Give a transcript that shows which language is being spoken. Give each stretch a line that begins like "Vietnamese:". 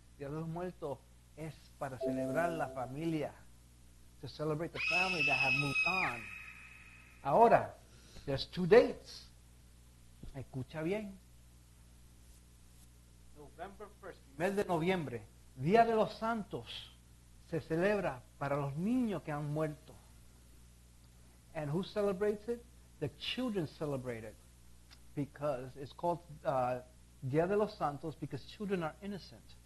Spanish: Día de los Muertos es para celebrar la familia.
English: To celebrate the family that have moved on.
Spanish: Ahora,
English: there's two dates.
Spanish: Escucha bien.
English: November 1st,
Spanish: mes de noviembre, Día de los Santos, se celebra para los niños que han muerto.
English: And who celebrates it? The children celebrate it. Because it's called Día de los Santos because children are innocent.